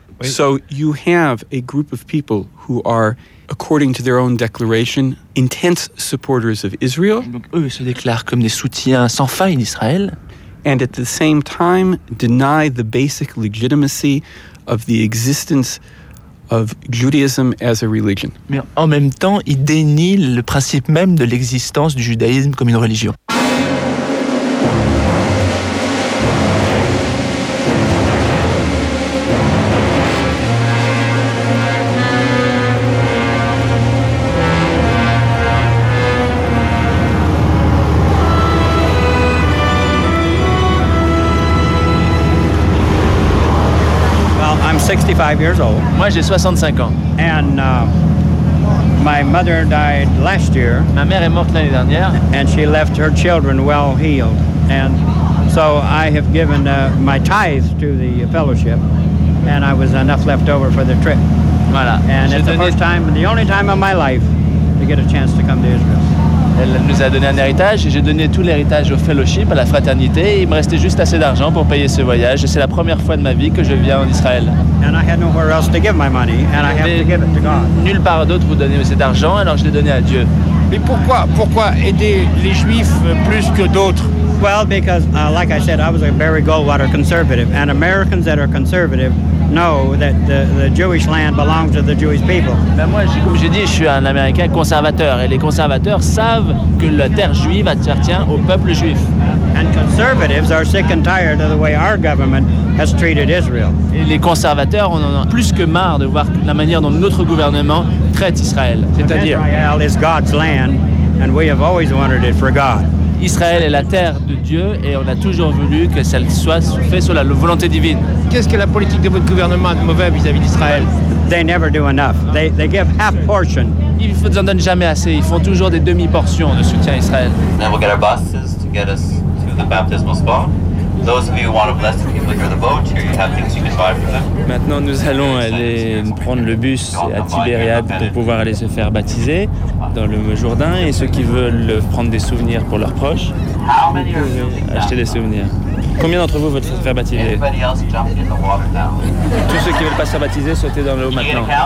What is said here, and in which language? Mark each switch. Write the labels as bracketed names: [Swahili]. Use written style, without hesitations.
[English] So you have a group of people who are, according to their own declaration, intense supporters of Israel. [French] Donc eux se déclarent comme des soutiens sans faille d'Israël. [English] And at the same time, deny the basic legitimacy of the existence of Judaism as a religion. [French] Mais en même temps, il dénie le principe même de l'existence du judaïsme comme une religion. Moi, j'ai 65 ans. [English] And my mother died last year. [French] Ma mère est morte l'année dernière. [English] And she left her children well healed. And so I have given my tithe to the fellowship. and I was enough left over for the trip. [French] Voilà. [English] And it's the first time, the only time of my life to get a chance to come to Israel. [French] Elle nous a donné un héritage et j'ai donné tout l'héritage au fellowship, à la fraternité. Il me restait juste assez d'argent pour payer ce voyage. C'est la première fois de ma vie que je viens en Israël. [English] And I had nowhere else to give my money, and I have to give it to God. [French] Nulle part d'autre pour donner cet argent, alors je l'ai donné à Dieu. Mais pourquoi, aider les Juifs plus que d'autres? [English] Well, because, like I said, I was a Barry Goldwater conservative, and Americans that are conservative know that the Jewish land belongs to the Jewish people. [French] Ben moi, comme j'ai dit, je suis un Américain conservateur, et les conservateurs savent que la terre juive appartient au peuple juif. [English] And conservatives are sick and tired of the way our government has treated Israel. [French] Et les conservateurs en ont plus que marre de voir la manière dont notre gouvernement traite Israël. C'est-à-dire, [English] Israel is God's land, and we have always wanted it for God. [French] Israël est la terre de Dieu et on a toujours voulu que ça soit fait sur la volonté divine. Qu'est-ce que la politique de votre gouvernement a de mauvais vis-à-vis d'Israël? [English] They never do enough. They give half portion. [French] Ils ne donnent jamais assez. Ils font toujours des demi-portions de soutien à Israël. [English] Then we'll get our buses to get us to the baptismal spot. Those of you who want to bless the people here, the boat here, you have things you can buy for them. [French] Maintenant, nous allons aller prendre le bus à Tibériade pour pouvoir aller se faire baptiser dans le Jourdain. Et ceux qui veulent prendre des souvenirs pour leurs proches, vous pouvez acheter des souvenirs. Combien d'entre vous veulent se faire baptiser? Tous ceux qui veulent pas se faire baptiser, sautez dans l'eau maintenant.